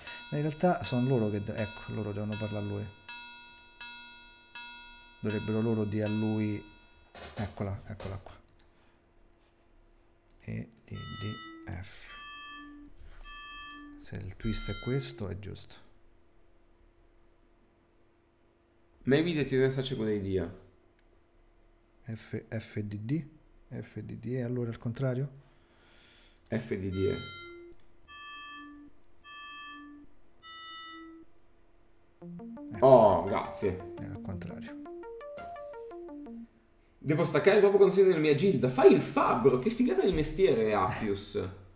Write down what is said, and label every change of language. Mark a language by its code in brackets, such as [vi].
[it] Ma in realtà sono loro che... ecco, loro devono parlare a lui. Dovrebbero loro dire a lui... eccola, eccola qua. E DDF. Se il twist è questo, è giusto. [en] Maybe that is such a good idea. [it] FDD? FDD è allora al contrario? FDD è. Ecco. Oh, grazie. È al contrario. Devo staccare proprio quando sei nella mia gilda. Fai il fabbro. Che figata di mestiere, Appius.